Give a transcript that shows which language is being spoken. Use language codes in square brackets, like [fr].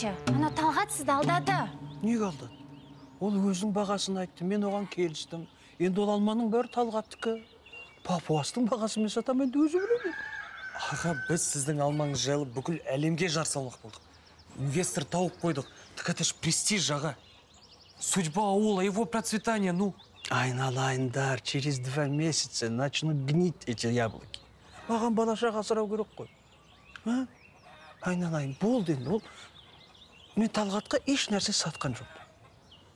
[kk] Ана талғатсыз да алдады. Неге алдады? Ол өзің бағасын айтты, мен оған келістім. Енді ол алманың бәрі талғаттыкі. Папуастың бағасын мен сатам, енді өзі білемін. Аға, біз сіздің алманыңыз жайлы бүкіл әлемге жар салмақ болдық. Инвестор тауып қойдық. Тік [ru] это ж престиж, [kk] аға. [ru] Судьба ауыла, его процветание, ну. Айналайындар, через два месяца начнут гнить эти яблоки. [kk] Маған балашаға сұрау керек қой. А? Айналайын, болды енді ол. Мен талғатқа еш нәрсе сатқан жоқ.